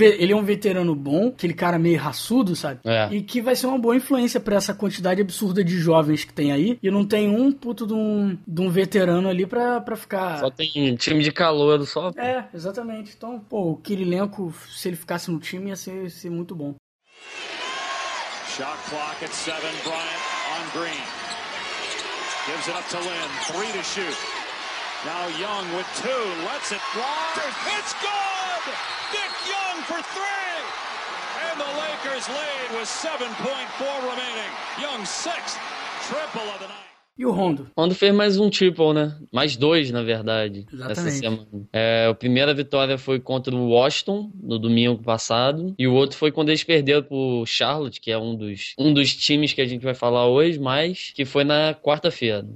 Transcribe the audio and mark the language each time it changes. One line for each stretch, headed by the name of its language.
Portuguese: Ele é um veterano bom, aquele cara meio raçudo, sabe? É. E que vai ser uma boa influência pra essa quantidade absurda de jovens que tem aí. E não tem um puto de um veterano ali pra ficar... Só tem time de calouro só. É, exatamente. Então, pô, o Kirilenko, se ele ficasse no time, ia ser muito bom.
English: Shot clock at 7, Bryant on Green. Gives it up to Lynn, 3 to shoot. Now Young with 2, lets it fly. It's good! Dick Young for 3! And the Lakers lead with 7.4 remaining. Young's 6th triple of the night.
Portuguese: E o Rondo? Rondo fez mais um triple, né? Mais 2, na verdade. Exatamente. Essa semana. É, a primeira vitória foi contra o Washington, no domingo passado. E o outro foi quando eles perderam pro Charlotte, que é um dos times que a gente vai falar hoje, mas que foi na quarta-feira.